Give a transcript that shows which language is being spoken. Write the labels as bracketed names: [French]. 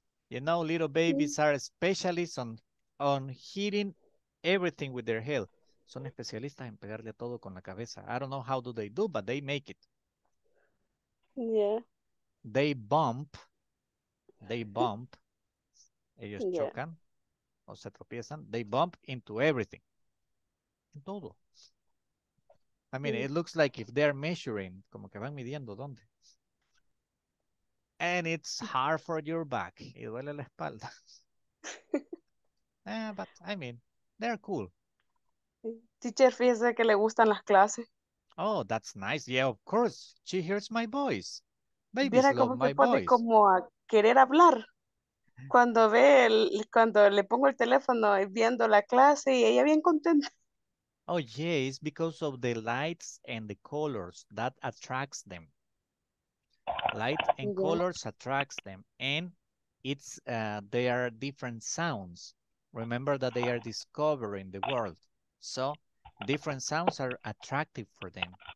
[English] You know, little babies are specialists on hitting everything with their head. [Spanish] Son especialistas en pegarle todo con la cabeza. [English] I don't know how do they do, but they make it. Yeah. They bump. [Spanish] Ellos chocan o se tropiezan. [English] They bump into everything. [Spanish] En todo. [English] I mean, it looks like if they're measuring, [Spanish] como que van midiendo dónde. [English] And it's hard for your back. [Spanish] Y duele la espalda. [English] but I mean, they're cool. [Spanish] Teacher, fíjese que le gustan las clases. [English] Oh, that's nice. Yeah, of course. She hears my voice. Babies love como my voice. [Spanish] Pone como a querer hablar. Cuando ve, cuando le pongo el teléfono viendo la clase y ella bien contenta. [English] Oh, yeah, it's because of the lights and the colors that attracts them. Light and colors attracts them. And it's they are different sounds. Remember that they are discovering the world. So different sounds are attractive for them.